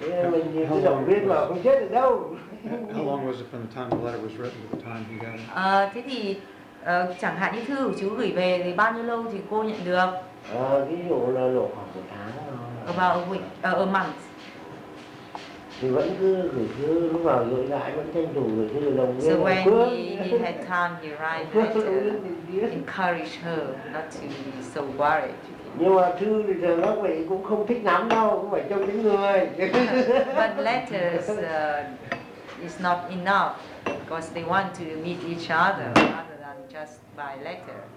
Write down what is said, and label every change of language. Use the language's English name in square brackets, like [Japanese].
[Vietnamese] Mình cứ chẳng biết mà không chết được đâu. [English] How long was it from the time the letter was written to the time he got it? [Vietnamese] Thế thì chẳng hạn như thư của chú gửi về thì bao nhiêu lâu thì cô nhận được? Ví dụ là độ khoảng một tháng rồi. [English] About a month. [Vietnamese] Thì vẫn cứ gửi thư lúc nào gửi lại vẫn tranh thủ gửi thư đồng nghĩa. [English] So when he had time he write to encourage her not to be so worried. [Vietnamese] Nhưng mà thư thì giờ nó vậy cũng không thích lắm đâu, cũng phải trông đến người. [English] But letters is not enough because they want to meet each other rather than just by letter.